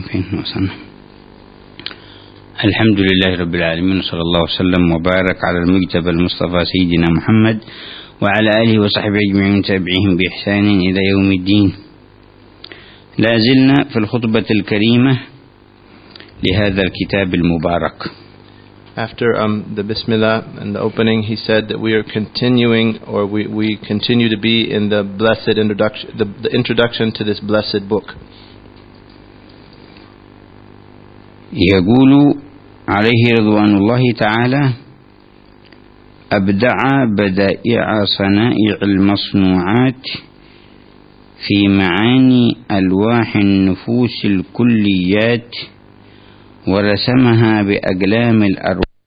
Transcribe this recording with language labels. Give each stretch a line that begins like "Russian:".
Arabic: فين وصلنا؟ الحمد لله رب العالمين، صلى الله وسلم وبارك على المجتبى المصطفى سيدنا محمد وعلى آله وصحبه أجمعين تابعهم بإحسان إلى يوم الدين. لازلنا في الخطبة الكريمة لهذا الكتاب المبارك.
English: After the Bismillah and the opening, he said that we are continuing, or we continue to be in the blessed introduction, the introduction to this blessed book.
Arabic: يقول عليه رضوان الله تعالى أبدع بدائع صنائع المصنوعات في معاني ألواح النفوس الكليات ورسمها بأقلام الأرواح.